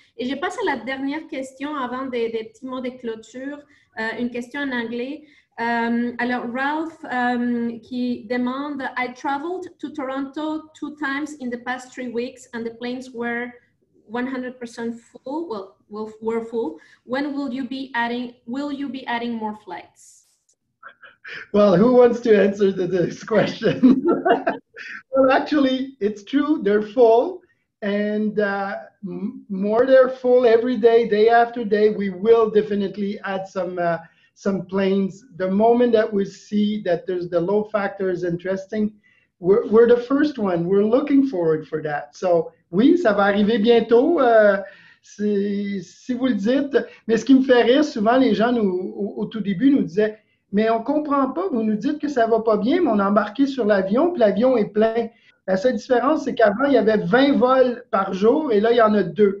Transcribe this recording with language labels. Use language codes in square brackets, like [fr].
[fr] Et je passe à la dernière question avant des petits mots de clôture, une question en anglais. Alors, Ralph qui demande, [en] « I traveled to Toronto 2 times in the past 3 weeks and the planes were 100% full. Well, were full. When will you be adding more flights? » Well, who wants to answer this question? Well, actually, it's true. They're full. And more they're full every day, day after day, we will definitely add some planes. The moment that we see that there's the load factor is interesting, we're the first one. We're looking forward for that. [fr] So, oui, ça va arriver bientôt, si vous le dites. Mais ce qui me fait rire, souvent, les gens au tout début nous disaient, mais on ne comprend pas, vous nous dites que ça ne va pas bien, mais on a embarqué sur l'avion, puis l'avion est plein. La seule différence, c'est qu'avant, il y avait 20 vols par jour, et là, il y en a 2.